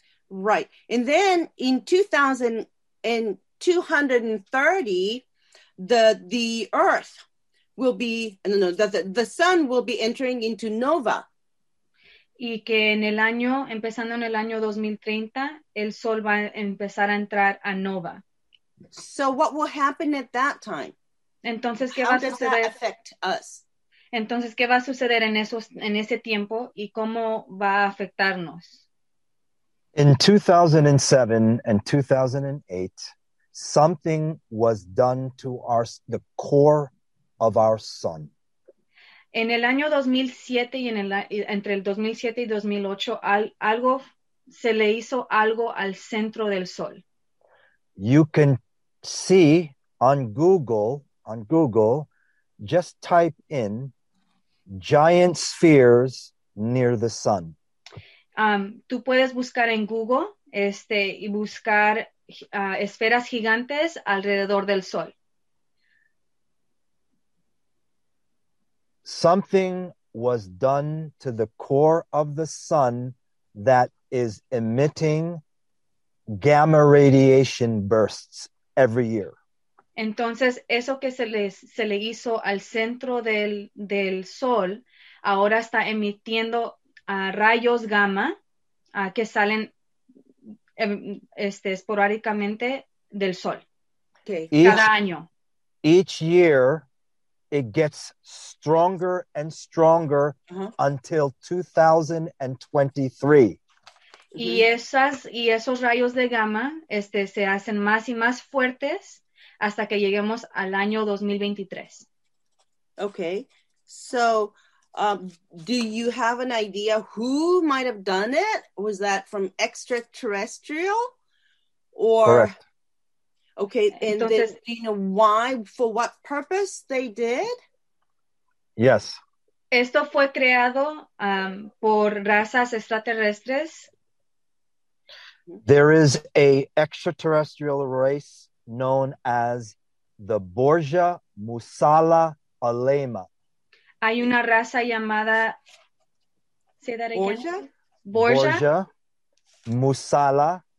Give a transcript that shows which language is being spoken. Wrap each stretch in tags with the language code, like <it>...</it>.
<en>Right. And then in 2230, the earth will be, the sun will be entering into nova.</en> <es>Y que en el año, empezando en el año 2030, el sol va a empezar a entrar a nova.</es> <en>So what will happen at that time?</en> <es>Entonces, ¿qué va a suceder? Entonces, ¿qué va a suceder en esos, en ese tiempo y cómo va a afectarnos?</es> <en>In 2007 and 2008, something was done to the core of our sun.</en> <es>En el año 2007 y entre el 2007 y 2008, algo se le hizo algo al centro del sol.</es> <en>You can see on Google. On Google, just type in giant spheres near the sun.</en> <es>Tú puedes buscar en Google y buscar esferas gigantes alrededor del sol.</es> <en>Something was done to the core of the sun that is emitting gamma radiation bursts every year.</en> <es>Entonces, eso que se le hizo al centro del sol, ahora está emitiendo rayos gamma que salen esporádicamente del sol.</es> <en>Okay.</en> <es>Cada año.</es> <en>Each year, it gets stronger and stronger until 2023.</en> <es>Y, esos rayos de gamma se hacen más y más fuertes hasta que lleguemos al año 2023.</es> <en>Okay. So, do you have an idea who might have done it? Was that from extraterrestrial? Or correct. Okay, and entonces, do you know why, for what purpose they did? Yes.</en> <es>Esto fue creado por razas extraterrestres.</es> <en>There is a extraterrestrial race known as the Borgia Musala Alema.</en> <es>Hay una raza llamada,</es> <en>say that again.</en> <es>Borgia Musala.</es>